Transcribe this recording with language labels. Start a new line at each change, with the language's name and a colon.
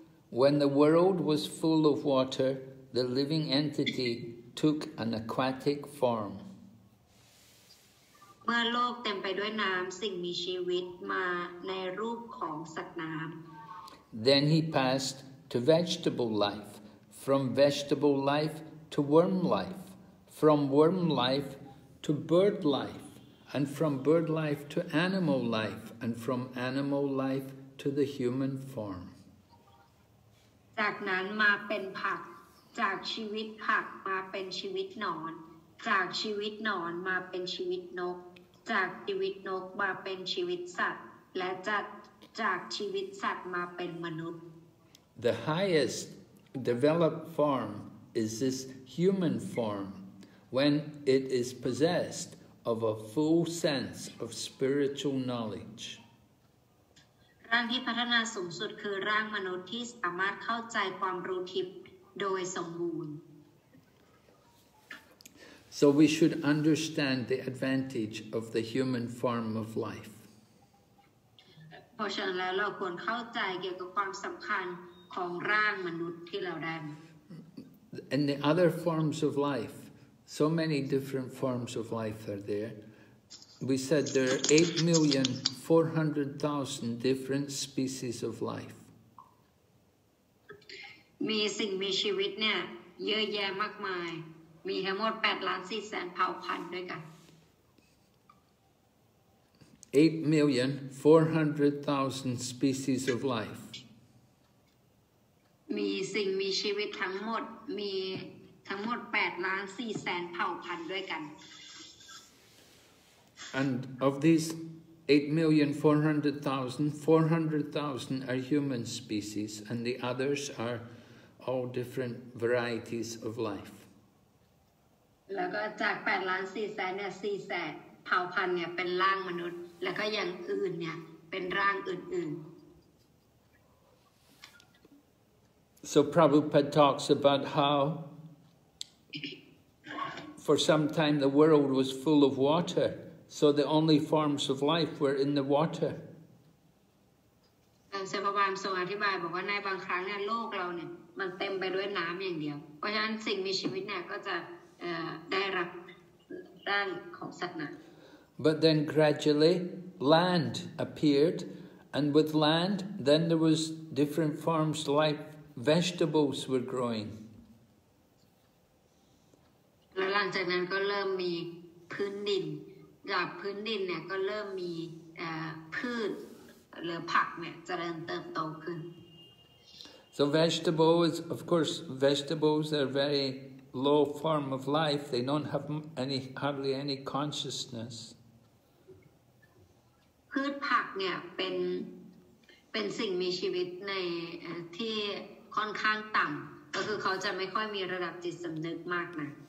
English: When the world was full of water, the living entity took an aquatic form.
Thai: เมื่อโลกเต็มไปด้วยน้ำสิ่งมีชีวิตมาในรูปของสัตว์น้ำ
English: Then he passed to vegetable life, from vegetable life to worm life, from worm life to bird life, and from bird life to animal life, and from animal life to the human form.
Thai: จากนั้นมาเป็นผักจากชีวิตผักมาเป็นชีวิตหนอนจากชีวิตหนอนมาเป็นชีวิตนกจากชีวิตนกมาเป็นชีวิตสัตว์และจากชีวิตสัตว์มาเป็นมนุษย์
English: The highest developed form is this human form when it is possessed of a full sense of spiritual knowledge.
Thai: ร่างที่พัฒนาสูงสุดคือร่างมนุษย์ที่สามารถเข้าใจความรู้ทิพย์โดยสมบูรณ์
English: So we should understand the advantage of the human form of life.
Thai: เพราะฉะนั้นแล้วเราควรเข้าใจเกี่ยวกับความสำคัญของร่างมนุษย์ที่เราได้
English: And the other forms of life, so many different forms of life are there. We said there are 8,400,000 different species of life.
Thai: มีสิ่งมีชีวิตเนี่ยเยอะแยะมากมายมีทั้งหมด8,400,000เผ่าพันธุ์ด้วยกัน
English: 8,400,000 species of life.
Thai: มีสิ่งมีชีวิตมีทั้งหมด8,400,000เผ่าพันธุ์ด้วยกัน
English: And of these 8,400,000, 400,000 are human species, and the others are all different varieties of life.
Thai: แล้วก็จาก8,400,000เนี่ย400,000เผ่าพันธุ์เนี่ยเป็นร่างมนุษย์แล้วก็อย่างอื่นเนี่ยเป็นร่างอื่น
English: ๆ So Prabhupada talks about how for some time the world was full of water. So the only forms of life were in the water.
Thai: เซปาบามทรงอธิบายบอกว่าในบางครั้งเนี่ยโลกเราเนี่ยมันเต็มไปด้วยน้ำอย่างเดียวเพราะฉะนั้นสิ่งมีชีวิตเนี่ยก็จะได้รับร่างของสัตว์น่ะ
English: But then gradually land appeared, and with land, then there was different forms like vegetables were growing.
Thai: และหลังจากนั้นก็เริ่มมีพื้นดินจากพื้นดินเนี่ยก็เริ่มมีพืชหรือผักเนี่ยเจริญเติบโตขึ้น
English: So vegetables, of course, vegetables are very low form of life. They don't have hardly any consciousness.
Thai: พืชผักเนี่ยเป็นสิ่งมีชีวิตในที่ค่อนข้างต่ำก็คือเขาจะไม่ค่อยมีระดับจิตสำนึกมากนะ